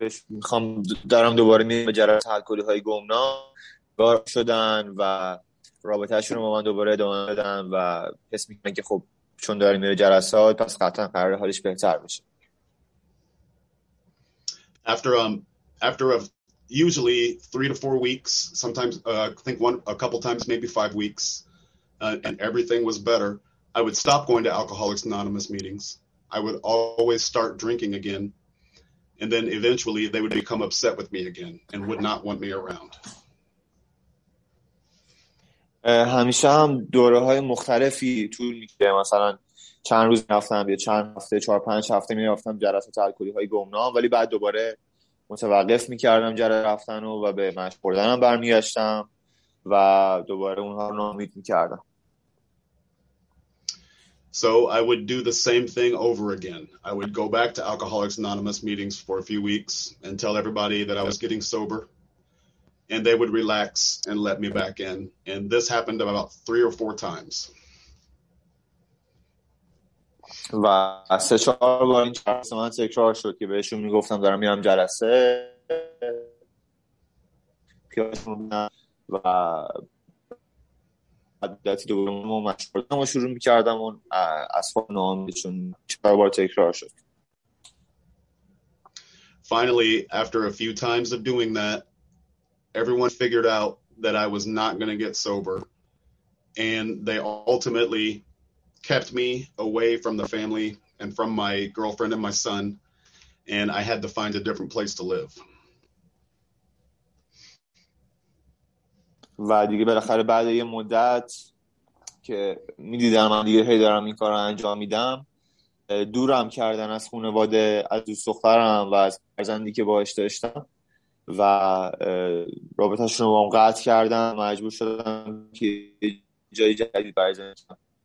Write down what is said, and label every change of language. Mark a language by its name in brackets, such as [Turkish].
[Persian] میخوام دارم دوباره میرم به جلسات الکلی های گمنام بار شدن و رابطه شون رو با من دوباره ادامه دادن و حس میکنن که خب چون داری میره جلسات پس قطعا قرار حالش بهتر بشه. [English] After usually 3 to 4 weeks, sometimes I think one a couple times maybe 5 weeks, and everything was better, I would stop going to Alcoholics Anonymous meetings. I would always start drinking again, and then eventually they would become upset with me again and would not want me around. [Persian] همیشه هم دوره های مختلفی طول میکرد، مثلا چند روز میرفتم یا چند هفته 4-5 هفته میرفتم جلسات الکلی های گمنام، ولی بعد دوباره متوقف میکردم جلسه رفتن و به مشروب خوردنم برمیگشتم و دوباره اونها رو نامید میکردم. [English] So I would do the same thing over again. I would go back to Alcoholics Anonymous meetings for a few weeks and tell everybody that I was getting sober, and they would relax and let me back in. And this happened about 3 or 4 times. [Persian] و سه چهار بار این جلسه من تکرار شد که بهشون میگفتم دارم میام جلسه پیاشون و عادتی دوباره ما مشوردم و شروع میکردم و اصفان نامیدشون چهار بار تکرار شد. [English] Finally, after a few times of doing that, everyone figured out that I was not going to get sober, and they ultimately kept me away from the family and from my girlfriend and my son, and I had to find a different place to live. [Persian] و دیگه بالاخره بعد یه مدت که میدیدم من دیگه هی دارم این کار رو انجام میدم، دورم کردن از خانواده، از دوست دخترم و از فرزندی که باهاش داشتم و رابطه‌شون رو با هم قطع کردم، مجبور شدم که جای جدید برای زندگی کنم.